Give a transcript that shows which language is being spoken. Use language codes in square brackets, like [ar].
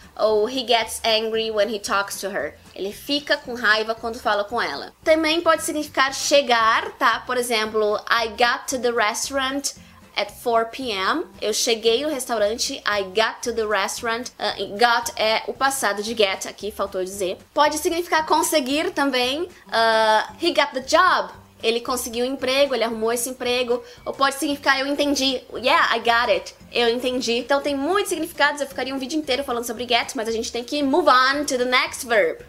[pt] Ou [en] he gets angry when he talks to her. [pt] Ele fica com raiva quando fala com ela. Também pode significar chegar, tá? Por exemplo, [en] I got to the restaurant at 4 p.m. [pt] Eu cheguei no restaurante. [en] I got to the restaurant. [pt] Got é o passado de get aqui, faltou dizer. Pode significar conseguir também. [en] He got the job. [pt] Ele conseguiu um emprego, ele arrumou esse emprego. Ou pode significar eu entendi. [en] Yeah, I got it. [pt] Eu entendi. Então tem muitos significados, eu ficaria um vídeo inteiro falando sobre get, mas a gente tem que [en] move on to the next verb.